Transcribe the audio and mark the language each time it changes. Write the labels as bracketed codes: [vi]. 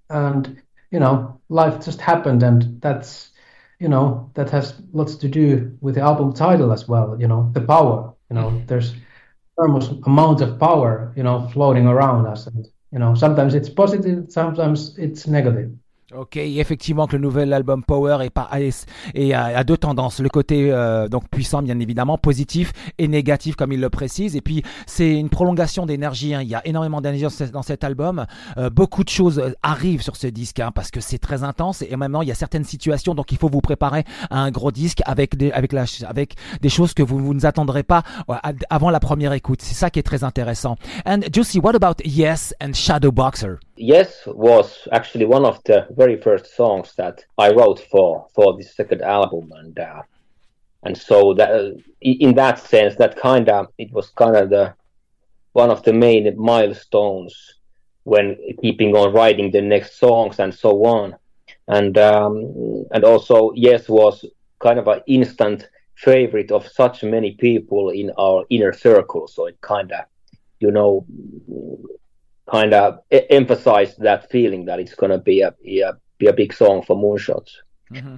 [en] And, you know, life just happened. And that's, you know, that has lots to do with the album title as well, you know, the power, you know, there's enormous amount of power, you know, floating around us. And, you know, sometimes it's positive, sometimes it's negative. [fr] Ok, effectivement que le nouvel album Power est pas AS et a deux tendances, le côté donc puissant bien évidemment, positif et négatif comme il le précise. Et puis c'est une prolongation d'énergie. Hein. Il y a énormément d'énergie dans cet album. Beaucoup de choses arrivent sur ce disque hein, parce que c'est très intense. Et maintenant il y a certaines situations, donc il faut vous préparer à un gros disque avec des choses que vous ne attendrez pas avant la première écoute. C'est ça qui est très intéressant. [en] And Juicy, what about Yes and Shadow Boxer? Yes was actually one of the very first songs that I wrote for the second album, and so that in that sense, that kind of it was kind of the one of the main milestones when keeping on writing the next songs and so on, and also Yes was kind of an instant favorite of such many people in our inner circle, so it kind of, you know, kind of emphasize that feeling that it's going to be a big song for Moonshot. Mm-hmm.